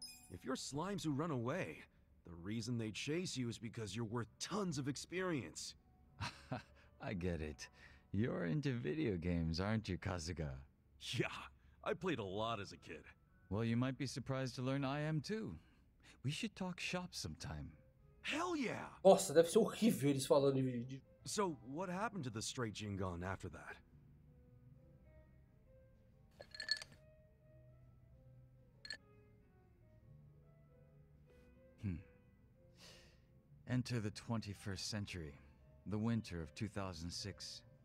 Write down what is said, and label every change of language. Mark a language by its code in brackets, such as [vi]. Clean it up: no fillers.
[en] If you're slimes who run away, the reason they chase you is because you're worth tons of experience. I get it. You're into video games, aren't you, Kasuga? Yeah, I played a lot as a kid. Well, you might be surprised to learn I am too. We should talk shop sometime. Hell yeah! [pt] Nossa, deve ser horrível eles falando em vídeo. [en] So, what happened to the stray Jingan after that? Enter the 21st century, the winter of 2006.